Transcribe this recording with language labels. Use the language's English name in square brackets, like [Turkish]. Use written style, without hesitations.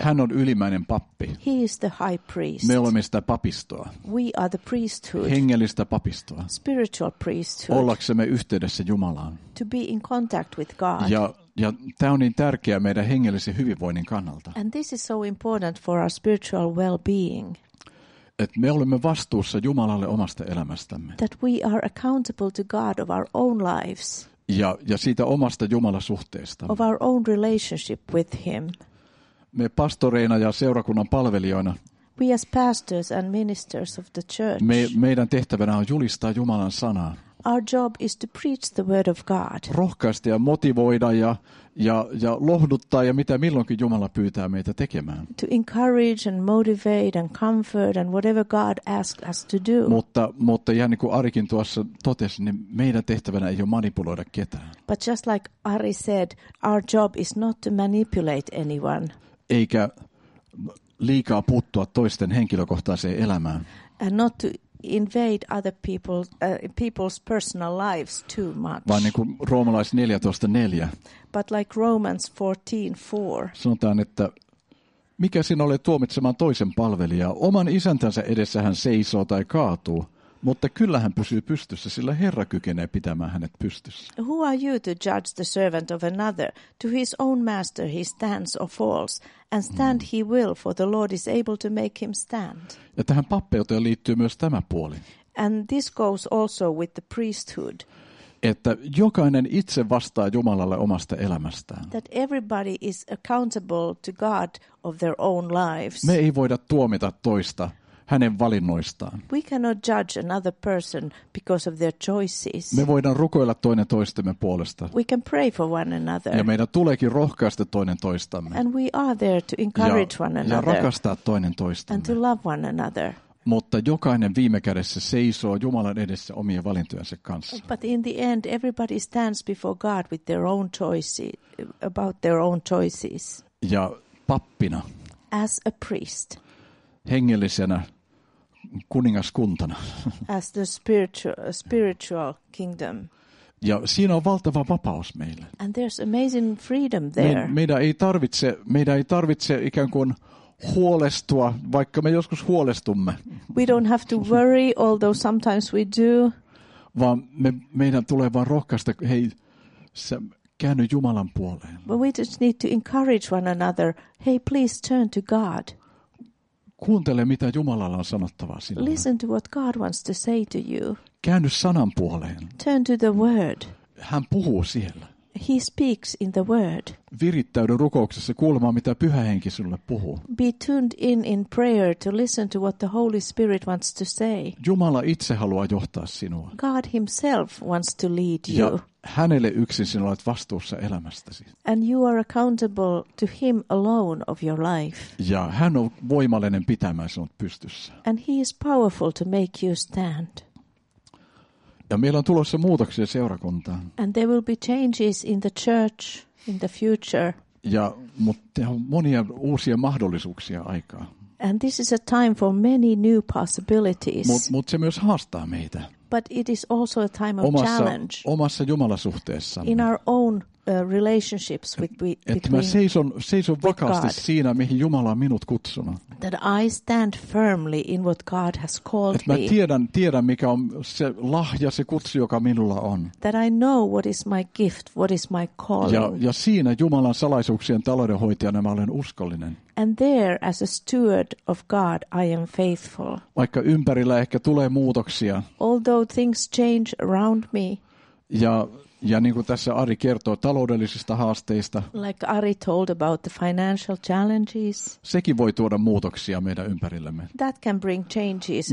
[Finnish] Hän on ylimmäinen pappi. [English] He is the high priest. [Finnish] Me olemme sitä papistoa. [English] We are the priesthood. [Finnish] Hengellistä papistoa. [English] Spiritual priesthood. [Finnish] Ollaksemme yhteydessä Jumalaan. [English] To be in contact with God. [Finnish] Ja tämä on niin tärkeä meidän hengellisen hyvinvoinnin kannalta. [English] And this is so important for our spiritual well-being. [Finnish] Et me olemme vastuussa Jumalalle omasta elämästämme. [English] That we are accountable to God of our own lives. [Finnish] Ja siitä omasta Jumalasuhteesta. [English] Of our own relationship with him. [Finnish] Me pastoreina ja seurakunnan palvelijoina. [English] We as pastors and ministers of the church. [Finnish] Meidän tehtävänä on julistaa Jumalan sanaa. [English] Our job is to preach the word of God. [Finnish] Rohkaista ja motivoida ja lohduttaa ja mitä milloinkin Jumala pyytää meitä tekemään. [English] To encourage and motivate and comfort and whatever God asks us to do. [Finnish] Mutta ihan niin kuin Arikin tuossa totesi, niin meidän tehtävänä ei ole manipuloida ketään. [English] But just like Ari said, our job is not to manipulate anyone. [Finnish] Eikä liikaa puuttua toisten henkilökohtaiseen elämään. [English] And not to invade other people's personal lives too much. [Finnish] Vaan niin kuin Roomalais 14:4. [English] But like Romans 14:4. [Finnish] Sanotaan, että Mikä sinulle tuomitsemaan toisen palvelijaa? Oman isäntänsä edessä hän seisoo tai kaatuu, mutta kyllä hän pysyy pystyssä, sillä Herra kykenee pitämään hänet pystyssä. [English] Who are you to judge the servant of another? To his own master he stands or falls, and stand he will, for the Lord is able to make him stand. [Finnish] Ja tähän pappeuteen liittyy myös tämä puoli. [English] And this goes also with the priesthood. [Finnish] Että jokainen itse vastaa Jumalalle omasta elämästään. [English] That everybody is accountable to God of their own lives. [Finnish] Me ei voida tuomita toista hänen valinnoistaan. [English] We cannot judge another person because of their choices. [Finnish] Me voidaan rukoilla toinen toistemme puolesta. [English] We can pray for one another. [Finnish] Ja meidän tuleekin rohkaista toinen toistamme. [English] And we are there to encourage [Finnish] ja, [English] one another. [Finnish] Ja rakastaa toinen toistamme. [English] And to love one another. [Finnish] Mutta jokainen viime kädessä seisoo Jumalan edessä omien valintojensa kanssa. [English] But in the end everybody stands before God with their own choices, about their own choices. [Finnish] Ja pappina. [English] As a priest. [Finnish] Hengellisenä kuningaskuntana. [English] As the spiritual kingdom. [Finnish] Ja siinä on valtava vapaus meille. [English] And there's amazing freedom there. [Finnish] Meidän ei tarvitse ikään kuin huolestua, vaikka me joskus huolestumme. [English] We don't have to worry, although sometimes we do. [Finnish] Vaan meidän tulee vaan rohkaista, hei, sä käänny Jumalan puoleen. [English] But we just need to encourage one another, hey, please turn to God. [Finnish] Kuuntele, mitä Jumalalla on sanottavaa sinulle. [English] Listen to what God wants to say to you. [Finnish] Käänny sanan puoleen. [English] Turn to the word. [Finnish] Hän puhuu siellä. [English] He speaks in the word. [Finnish] Virittäydy rukouksessa kuulemaan, mitä Pyhä Henki sinulle puhuu. [English] Be tuned in prayer to listen to what the Holy Spirit wants to say. [Finnish] Jumala itse haluaa johtaa sinua. [English] God himself wants to lead [Finnish] ja [English] you. [Finnish] Hänelle yksin sinä olet vastuussa elämästäsi. [English] And you are accountable to him alone of your life. [Finnish] Ja hän on voimallinen pitämään sinut pystyssä. [English] And he is powerful to make you stand. [Finnish] Ja meillä on tulossa muutoksia seurakuntaan. [English] And there will be changes in the church in the future. [Finnish] Ja mutta on monia uusia mahdollisuuksia aikaa. [English] And this is a time for many new possibilities. [Finnish] Mutta se myös haastaa meitä. [English] But it is also a time of challenge. [Finnish] Omassa jumalasuhteessamme. [English] In our own relationships with God. [Finnish] Että mä seison vakaasti siinä, mihin Jumala on minut kutsunut. [English] That I stand firmly in what God has called me. [Finnish] Että mä tiedän, mikä on se lahja, se kutsu, joka minulla on. [English] That I know what is my gift, what is my calling. [Finnish] Ja siinä Jumalan salaisuuksien taloudenhoitajana mä olen uskollinen. [English] And there, as a steward of God, I am faithful. [Finnish] Vaikka ympärillä ehkä tulee muutoksia. [English] Although things change around me. [Finnish] Ja niin kuin tässä Ari kertoo taloudellisista haasteista. [English] Like Ari told about the financial challenges. [Finnish] Sekin voi tuoda muutoksia meidän ympärillemme. [English] That can bring changes